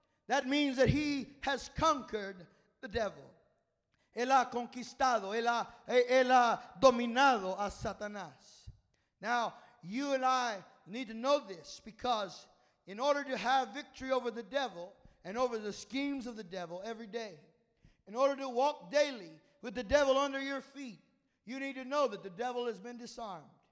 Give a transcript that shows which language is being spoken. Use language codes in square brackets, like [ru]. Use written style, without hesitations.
[en] That means that he has conquered the devil. [es] Él ha conquistado, él ha dominado a Satanás. [en] Now, you and I need to know this, because in order to have victory over the devil and over the schemes of the devil every day, in order to walk daily with the devil under your feet, you need to know that the devil has been disarmed.